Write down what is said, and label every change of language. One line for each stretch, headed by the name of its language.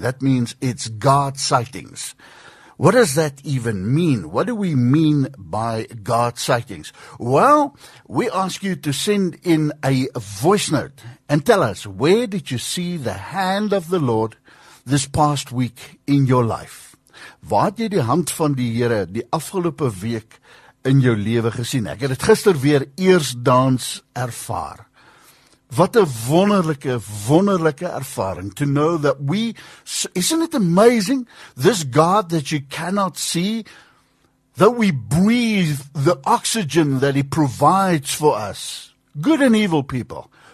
English: That means it's God sightings. What does that even mean? What do we mean by God sightings? Well, we ask you to send in a voice note and tell us, where did you see the hand of the Lord this past week in your life?
Afrikaans: Waar jy die hand van die Here die afgelope week in jou lewe gesien? Ek het dit gister weer eersdaans ervaar.
English: What a
Afrikaans: wonderlike, wonderlike
English: ervaring to know that isn't it amazing, this God that you cannot see, that we breathe the oxygen that He provides for us, good and evil people.